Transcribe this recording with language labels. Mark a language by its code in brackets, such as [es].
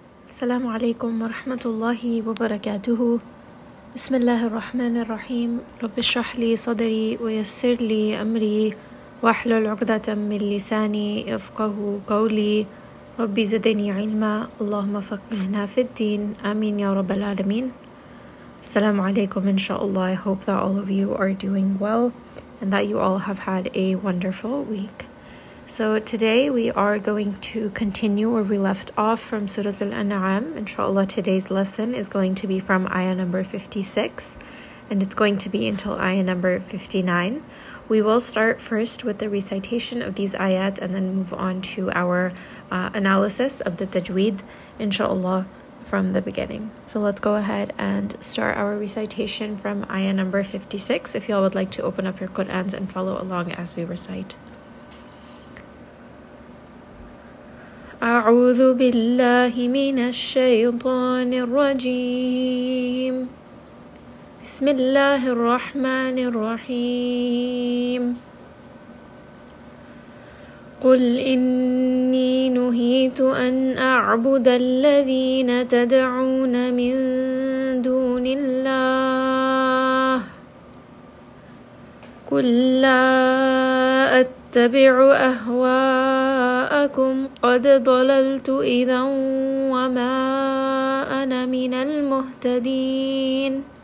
[ar] السلام عليكم ورحمة الله وبركاته. بسم الله الرحمن الرحيم. رب اشرح لي صدري ويسر لي أمري واحلل عقدة من لساني يفقه قولي. ربي زدني علما اللهم فقهنا في الدين آمين يا رب العالمين. السلام عليكم. [en] إن شاء الله I hope that all of you are doing well and that you all have had a wonderful week. So today we are going to continue where we left off from Surah Al-An'am. Inshallah, today's lesson is going to be from ayah number 56 and it's going to be until ayah number 59. We will start first with the recitation of these ayat and then move on to our analysis of the tajweed, inshallah, from the beginning. So let's go ahead and start our recitation from ayah number 56. If y'all would like to open up your Qur'ans and follow along as we recite. [ar] أعوذ بالله من الشيطان الرجيم بسم الله الرحمن الرحيم قل إني نهيت أن أعبد الذين تدعون من دون الله قل لا أتبع أهواءكم قد ضللت إذا وما أنا من المهتدين